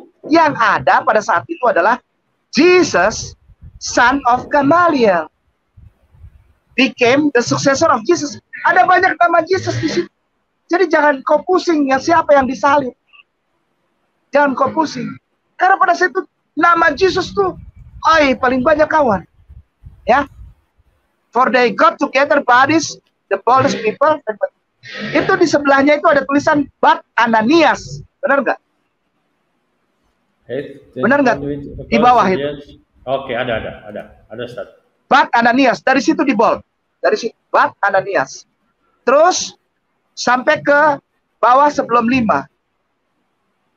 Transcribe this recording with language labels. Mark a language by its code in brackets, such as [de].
[id] Yang ada pada saat itu adalah [en] Jesus, son of Gamaliel, became the successor of Jesus. [id] Ada banyak nama Jesus di situ. Jadi jangan kau pusing ya, siapa yang disalib. Jangan kau pusing. Karena pada saat itu nama Jesus tuh, oi, paling banyak kawan. Ya. [en] For they got together bodies, the boldest people. [id] Itu di sebelahnya itu ada tulisan Bat Ananias. Benar enggak? Benar enggak? Di bawah itu. Oke, okay, ada Ustaz. Bat Ananias, dari situ di bold. Dari situ Bat Ananias. Terus sampai ke bawah sebelum 5.